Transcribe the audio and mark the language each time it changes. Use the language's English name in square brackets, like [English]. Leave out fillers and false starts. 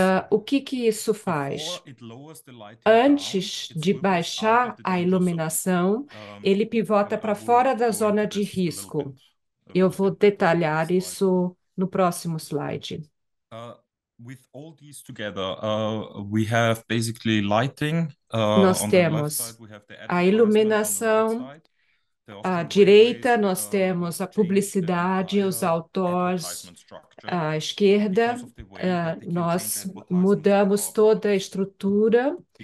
[Portuguese] O que isso faz? Antes de baixar a iluminação, ele pivota para fora da zona de risco. Eu vou detalhar isso no próximo slide. [English] With all these together, we have basically lighting. [Portuguese] Nós temos a iluminação. À direita, nós temos a publicidade, os outdoors. À esquerda, nós mudamos toda a estrutura.